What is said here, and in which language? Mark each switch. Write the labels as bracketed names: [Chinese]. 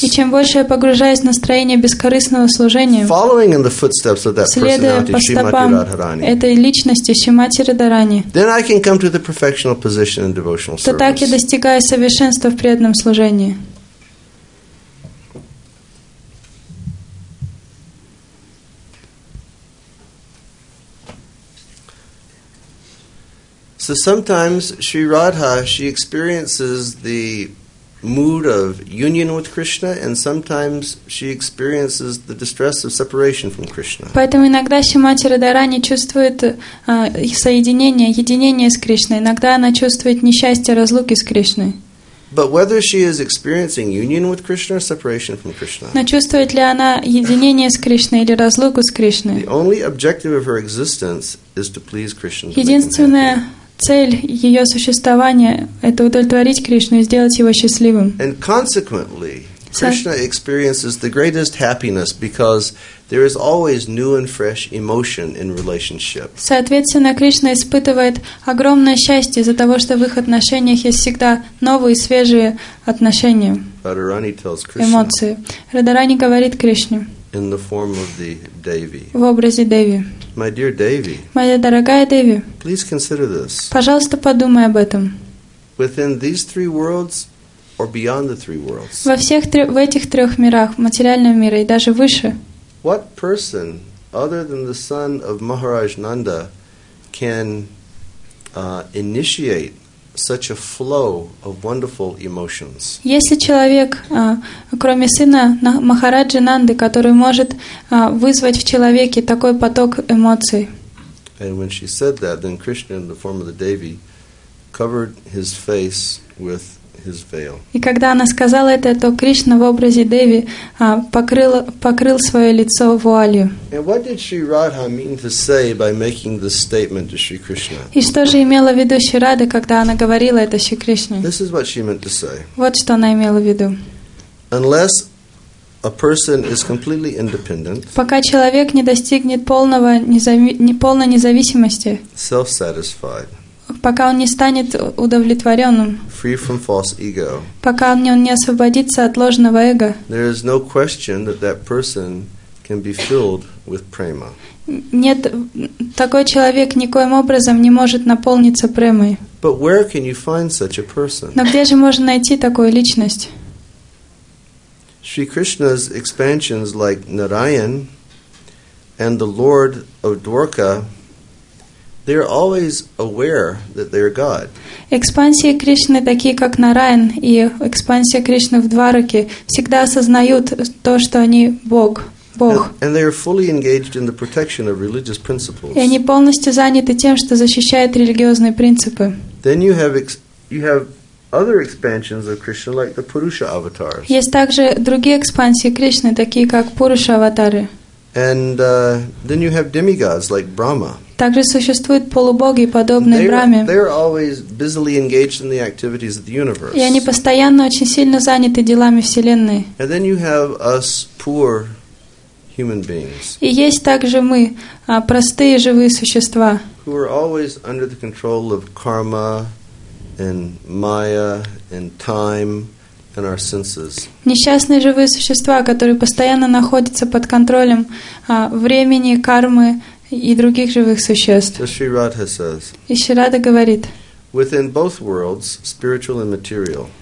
[Russian] И чем больше я погружаюсь в настроение бескорыстного служения. [English] Following in the footsteps of that personality, Srimati Radharani. [Russian] Этой личности Шримати Радхарани. [English] Then I can come to the perfectional position in devotional service. [Russian] То так я достигаю совершенства в преданном служении. [English] So sometimes Sri Radha, she experiences the mood of union with Krishna, and sometimes she experiences the distress of separation from Krishna. [Russian] Поэтому иногда Шримати Радхарани чувствует соединение, единение с Кришной. Иногда она чувствует несчастье разлуки с Кришной. [English] But whether she is experiencing union with Krishna or separation from Krishna. [Russian] Но чувствует ли она единение с Кришной или разлуку с Кришной? [English] The only objective of her existence is to please Krishna. [Russian] Единственная цель ее существования – это удовлетворить Кришну и сделать его счастливым. [English] And consequently, Krishna experiences the greatest happiness because there is always new and fresh emotion in relationship. [Russian] Соответственно, Кришна испытывает огромное счастье из-за того, что в их отношениях есть всегда новые, свежие отношения, [English] Radharani tells Krishna, [Russian] эмоции. Радхарани говорит Кришне [English] in the form of the Devi. [Russian] В образе Деви. [English] My dear Devi, [Russian] моя дорогая Деви, [English] please consider this. [Russian] Пожалуйста, подумай об этом. [English] Within these three worlds or beyond the three worlds. [Russian] Во всех в этих трех мирах, в материальном мире и даже выше. [English] What person other than the son of Maharaj Nanda can initiate such a flow of wonderful emotions? [Russian] Если человек, кроме сына Махараджи Нанды, который может вызвать в человеке такой поток эмоций. [English] And when she said that, then Krishna, in the form of the Devi, covered his face with his veil. [Russian] И когда она сказала это, то Кришна в образе Деви покрыл свое лицо вуалью. [English] And what did Sri Radha mean to say by making this statement to Sri Krishna? [Russian] И что же имела в виду Шри Радха, когда она говорила это Шри Кришне? [English] This is what she meant to say. [Russian] Вот что она имела в виду. [English] Unless a person is completely independent. [Russian] Пока человек не достигнет полной независимости. [English] Self-satisfied. [Russian] Пока он не станет удовлетворенным. [English] Free from false ego. [Russian] Пока он не освободится от ложного эго. [English] There is no question that that person can be filled with prema. [Russian] Нет, такой человек никоим образом не может наполниться премой. [English] But where can you find such a person? [Russian] Но где же можно найти такую личность? [English] Sri Krishna's expansions like Narayan and the Lord of Dwarka, they're always aware that they're God. [Russian] Экспансии Кришны, такие как Нараян и экспансия Кришны в Двараке, всегда осознают то, что они Бог. Бог. [English] And they are fully engaged in the protection of religious principles. [Russian] И они полностью заняты тем, что защищают религиозные принципы. [English] Then you have other expansions of Krishna, like the Purusha avatars. [Russian] Есть также другие экспансии Кришны, такие как Пуруша аватары. [English] And then you have demigods like Brahma. [Russian] Также существуют полубоги, подобные Брахме. [English] They are always busily engaged in the activities of the universe. [Russian] И они постоянно очень сильно заняты делами вселенной. [English] And then you have us poor human beings. [Russian] И есть также мы, простые живые существа. [English] Who are always under the control of karma and maya and time. And our senses. [Russian] Несчастные живые существа, которые постоянно находятся под контролем времени, кармы и других живых существ. [English] So Sri Radha says, [Russian] и Шри Радха говорит, [English] within both worlds, spiritual and material,